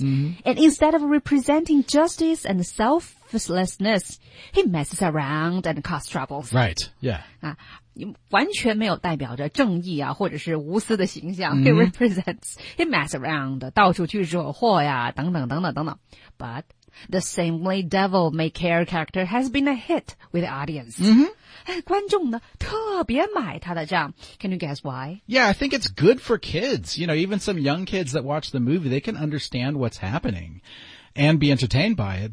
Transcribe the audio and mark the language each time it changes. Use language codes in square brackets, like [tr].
[en] And instead of representing justice and selflessness, he messes around and causes troubles. Right, yeah. [zh] 完全没有代表着正义啊或者是无私的形象。 [en] He represents, he messes around, [zh] 到处去惹祸呀等等等等等等。 [en] But the seemingly devil may care character has been a hit with the audience. Mm-hmm. [zh] 观众呢特别买他的账。 [en] Can you guess why? Yeah, I think it's good for kids. You know, even some young kids that watch the movie, they can understand what's happening and be entertained by it.